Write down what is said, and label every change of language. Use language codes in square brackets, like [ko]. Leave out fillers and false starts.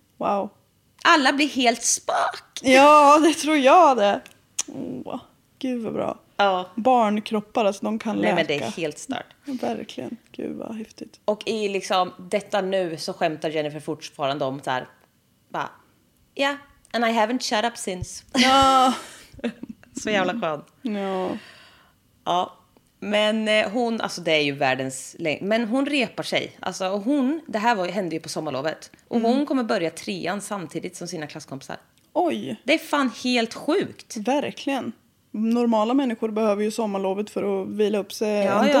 [sv] Wow. Alla blir helt spak. Ja, det tror jag det. Åh, oh, gud vad bra. Ja. Barnkroppar, alltså de kan läka. Nej, men det är helt stört. Verkligen, gud vad häftigt. Och i liksom detta nu så skämtar Jennifer fortfarande om så här. [en] Ja, yeah, and I haven't shut up since. [sv] Ja. Så jävla skön. Ja. Ja, men hon, alltså det är ju världens längd. Men hon repar sig. Alltså hon, det här var, hände ju på sommarlovet. Och mm. hon kommer börja trean samtidigt som sina klasskompisar. Oj. Det är fan helt sjukt. Verkligen. Normala människor behöver ju sommarlovet för att vila upp sig ändå.